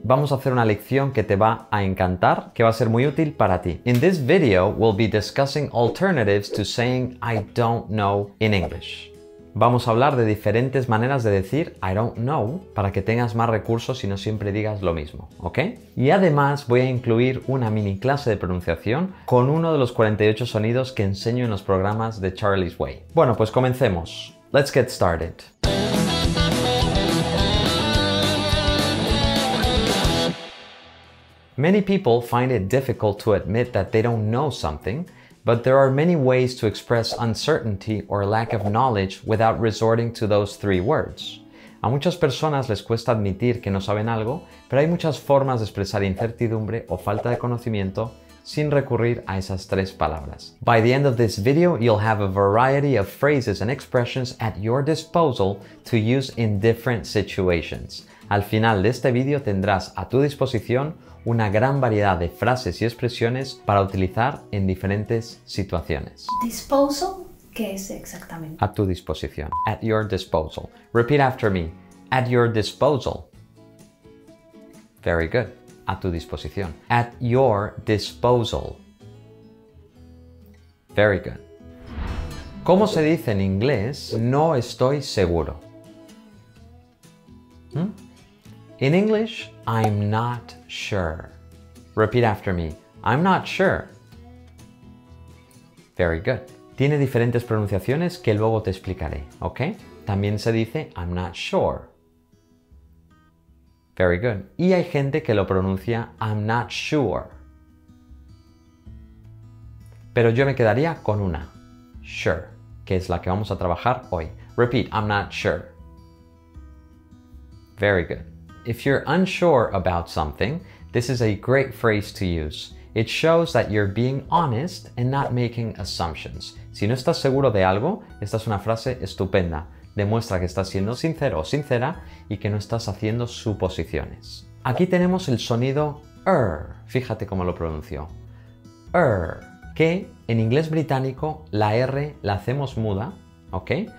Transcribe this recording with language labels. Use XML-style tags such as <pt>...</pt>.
<es>Vamos a hacer una lección que te va a encantar, que va a ser muy útil para ti.</es> <en>In this video, we'll be discussing alternatives to saying I don't know in English.</en> <es>Vamos a hablar de diferentes maneras de decir</es> <en>I don't know</en> <es>para que tengas más recursos y no siempre digas lo mismo, ¿ok? Y además voy a incluir una mini clase de pronunciación con uno de los 48 sonidos que enseño en los programas de Charlie's Way. Bueno, pues comencemos.</es> <en>Let's get started. Many people find it difficult to admit that they don't know something, but there are many ways to express uncertainty or lack of knowledge without resorting to those three words.</en> <es>A muchas personas les cuesta admitir que no saben algo, pero hay muchas formas de expresar incertidumbre o falta de conocimiento sin recurrir a esas tres palabras.</es> <en>By the end of this video, you'll have a variety of phrases and expressions at your disposal to use in different situations.</en> <es>Al final de este video tendrás a tu disposición una gran variedad de frases y expresiones para utilizar en diferentes situaciones. Disposal, ¿qué es exactamente? A tu disposición.</es> <en>At your disposal. Repeat after me. At your disposal. Very good.</en> <es>A tu disposición.</es> <en>At your disposal. Very good.</en> <es>¿Cómo se dice en inglés? No estoy seguro.</es> <en>¿Mm? In English, I'm not sure. Repeat after me. I'm not sure. Very good.</en> <es>Tiene diferentes pronunciaciones que luego te explicaré, ¿ok? También se dice</es> <en>I'm not sure. Very good.</en> <es>Y hay gente que lo pronuncia</es> <en>I'm not sure.</en> <es>Pero yo me quedaría con una. Sure. Que es la que vamos a trabajar hoy.</es> <en>Repeat. I'm not sure. Very good. If you're unsure about something, this is a great phrase to use. It shows that you're being honest and not making assumptions.</en> <es>Si no estás seguro de algo, esta es una frase estupenda. Demuestra que estás siendo sincero o sincera y que no estás haciendo suposiciones. Aquí tenemos el sonido er. Fíjate cómo lo pronunció. Er. Que en inglés británico la R la hacemos muda, ¿ok?</es>